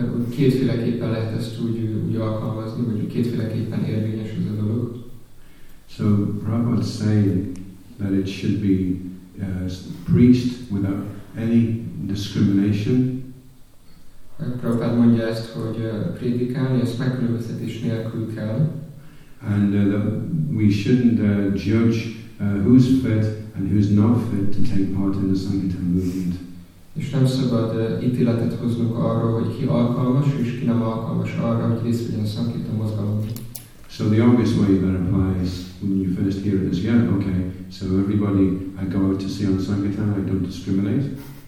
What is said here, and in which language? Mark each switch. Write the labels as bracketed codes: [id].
[hu] kétféleképpen lehet ezt úgy alkalmazni, vagy kétféleképpen érvényes ez a dolog. [en] So Prabhupada saying that it should be preached without any discrimination. [hu] Prabhupada mondja ezt, hogy prédikálni, ezt megkülönböztetés nélkül kell. [en] And that we shouldn't judge who's fit and who's not fit to take part in the Sankirtan movement. [hu] És nem szabad ítéletet hoznunk arról, hogy ki alkalmas, és ki nem alkalmas arra, hogy részt vegyen a Sankirtan mozgalomban. [en] So the obvious way that applies when you first hear it is, so everybody I go out to see on Sankirtan, I don't discriminate.